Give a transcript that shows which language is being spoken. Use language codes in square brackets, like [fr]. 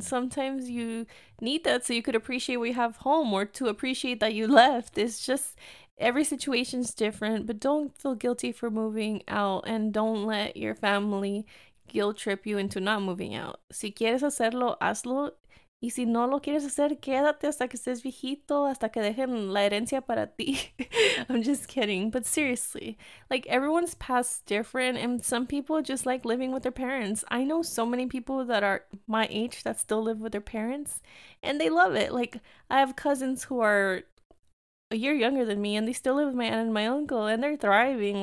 [en] Sometimes you need that so you could appreciate what you have home, or to appreciate that you left. It's just, every situation's different, but don't feel guilty for moving out, and don't let your family guilt trip you into not moving out. [es] Si quieres hacerlo, hazlo, Y si no lo quieres hacer, quédate hasta que estés viejito, hasta que dejen la herencia para ti. [en] I'm just kidding. But seriously, like everyone's path's different, and some people just like living with their parents. I know so many people that are my age that still live with their parents, and they love it. Like, I have cousins who are a year younger than me, and they still live with my aunt and my uncle, and they're thriving.